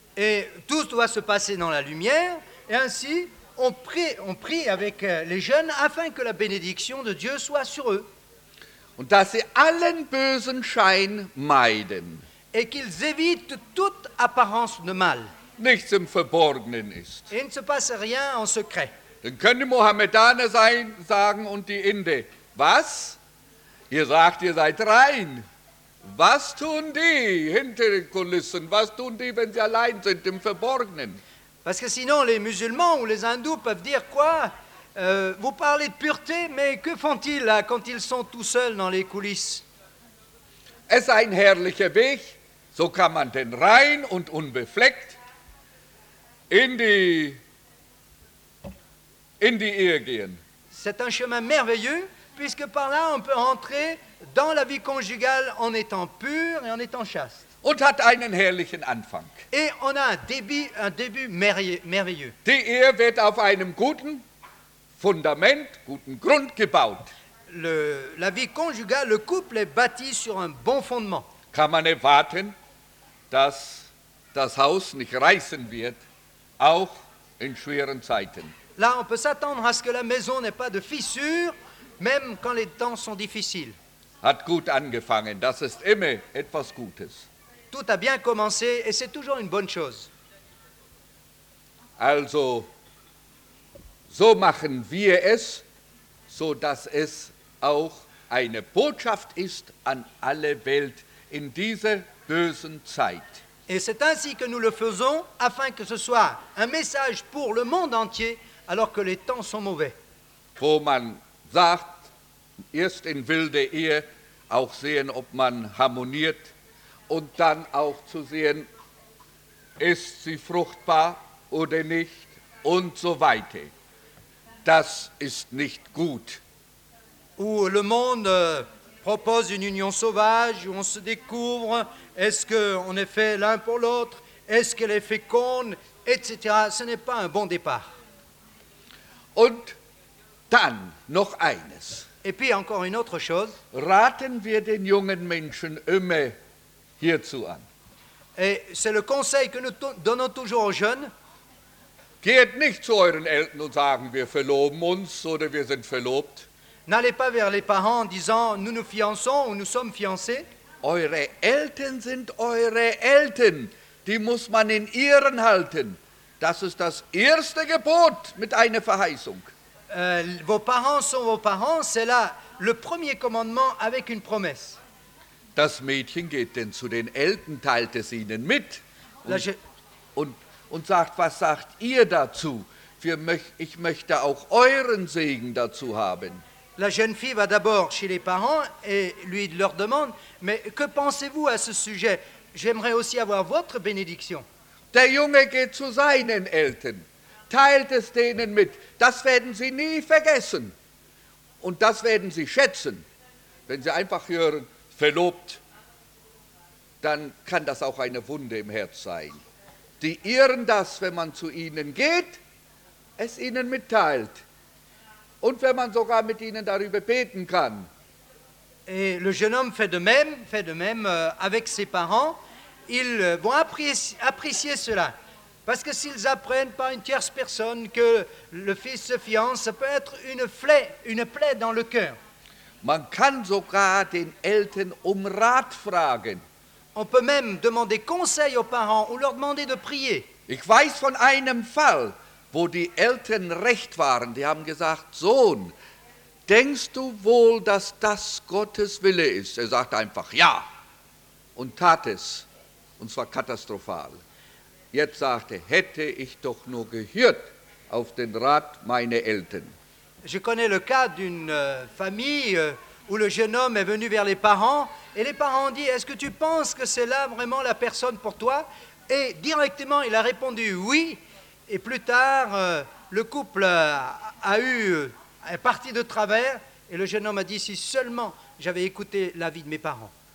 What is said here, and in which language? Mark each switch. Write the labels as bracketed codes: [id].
[fr] Et tout doit se passer dans la lumière, et ainsi on prie avec les jeunes afin que la bénédiction de Dieu soit sur eux. [de] Und dass sie allen bösen Schein meiden. [fr] Et qu'ils évitent toute apparence de mal. [de] Nichts im Verborgenen ist. [fr] Et il ne se passe rien en secret. [de] Dann können die Mohammedaner sein, sagen und die Inde, was? Ihr sagt, ihr seid rein. Was tun die hinter den Kulissen? Was tun die, wenn sie allein sind im Verborgenen? [fr] Parce que sinon les musulmans ou les hindous peuvent dire quoi? Vous parlez de pureté, mais que font-ils là quand ils sont tout seuls dans les coulisses? [de] Es ist ein herrlicher Weg, so kann man denn rein und unbefleckt in die Ehe gehen. [fr] C'est un chemin merveilleux. Puisque par là, on peut entrer dans la vie conjugale en étant pur et en étant chaste. [de] Und hat einen herrlichen Anfang. [fr] Et on a un début merveilleux. [de] Die Ehe wird auf einem guten Fundament, guten Grund gebaut. [fr] La vie conjugale, le couple est bâti sur un bon fondement. [de] Kann man erwarten, dass das Haus nicht reißen wird, auch in schweren Zeiten. [fr] Là, on peut s'attendre à ce que la maison n'ait pas de fissures, même quand les temps sont difficiles. [de] Hat gut angefangen, das ist immer etwas Gutes. [fr] Tout a bien commencé et c'est toujours une bonne chose. [de] Also, so machen wir es, so dass es auch eine Botschaft ist an alle Welt in dieser bösen Zeit. [fr] Et c'est ainsi que nous le faisons, afin que ce soit un message pour le monde entier, alors que les temps sont mauvais. [de] Wo man sagt, erst in wilde Ehe auch sehen, ob man harmoniert und dann auch zu sehen, ist sie fruchtbar oder nicht und so weiter. Das ist nicht gut. [fr] Où le monde propose une union sauvage, où on se découvre, est-ce qu'on est fait l'un pour l'autre, est-ce qu'elle est féconde, etc. Ce n'est pas un bon départ. [de] Und dann noch eines. [fr] Et puis encore une autre chose. [de] Raten wir den jungen Menschen immer hierzu an. [fr] Et c'est le conseil que nous donnons toujours aux jeunes. [de] Geht nicht zu euren Eltern und sagen, wir verloben uns oder wir sind verlobt. [fr] N'allez pas vers les parents en disant, nous nous fiançons ou nous sommes fiancés. [de] Eure Eltern sind eure Eltern. Die muss man in Ehren halten. Das ist das erste Gebot mit einer Verheißung. [fr] Vos parents sont vos parents, c'est là le premier commandement avec une promesse. [de] Das Mädchen geht denn zu den Eltern, teilt es ihnen mit und sagt, was sagt ihr dazu? Ich möchte auch euren Segen dazu haben. [fr] La jeune fille va d'abord chez les parents et lui leur demande, mais que pensez-vous à ce sujet? J'aimerais aussi avoir votre bénédiction. [de] Der Junge geht zu seinen Eltern. Teilt es denen mit. Das werden sie nie vergessen. Und das werden sie schätzen. Wenn sie einfach hören, verlobt, dann kann das auch eine Wunde im Herz sein. Die irren das, wenn man zu ihnen geht, es ihnen mitteilt. Und wenn man sogar mit ihnen darüber beten kann. [fr] Et le jeune homme fait de même avec ses parents. Ils vont apprécier cela. Parce que s'ils apprennent par une tierce personne que le fils se fiance, ça peut être une plaie dans le cœur. [de] Man kann sogar den Eltern um Rat fragen. [fr] On peut même demander conseil aux parents ou leur demander de prier. [de] Ich weiß von einem Fall, wo die Eltern recht waren. Die haben gesagt, Sohn, denkst du wohl, dass das Gottes Wille ist? Er sagt einfach ja und tat es. Und zwar katastrophal. Jetzt sagte, hätte ich doch nur gehört auf den Rat meiner Eltern. [fr] Je connais le cas d'une famille où le jeune homme est venu vers les parents et les parents ont dit, est-ce que tu penses que c'est là vraiment la personne pour toi? Et directement, il a répondu oui. Et plus tard, le couple est parti de travers et le jeune homme a dit, si seulement j'avais écouté l'avis de mes parents.